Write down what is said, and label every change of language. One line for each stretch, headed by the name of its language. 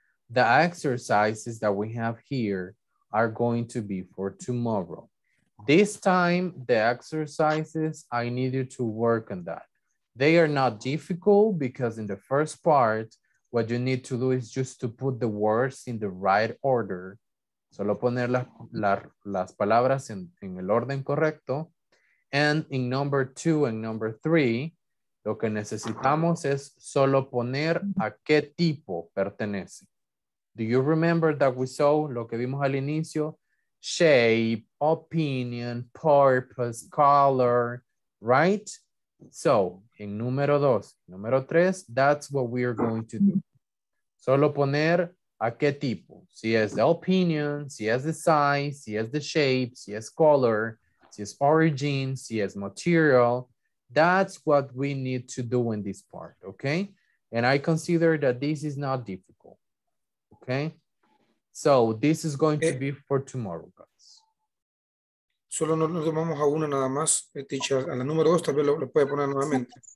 English: The exercises that we have here are going to be for tomorrow. This time, the exercises, I need you to work on that. They are not difficult because in the first part, what you need to do is just to put the words in the right order.
Spanish: Solo poner las palabras en el orden correcto.
English: And in number two and number three,
Spanish: lo que necesitamos es solo poner a qué tipo pertenece.
English: Do you remember that we saw
Spanish: lo que vimos al inicio?
English: Shape, opinion, purpose, color, right? So, in
Spanish: número dos, número tres,
English: that's what we are going to do.
Spanish: Solo poner a qué tipo. Si es the opinion, si es the size, si es the shape, si es color, si es origin, si es material.
English: That's what we need to do in this part, okay? And I consider that this is not difficult, okay? So, this is going to be for tomorrow, guys.
Spanish: Solo nos tomamos a una nada más, teacher. A la número dos, tal vez lo puede poner nuevamente.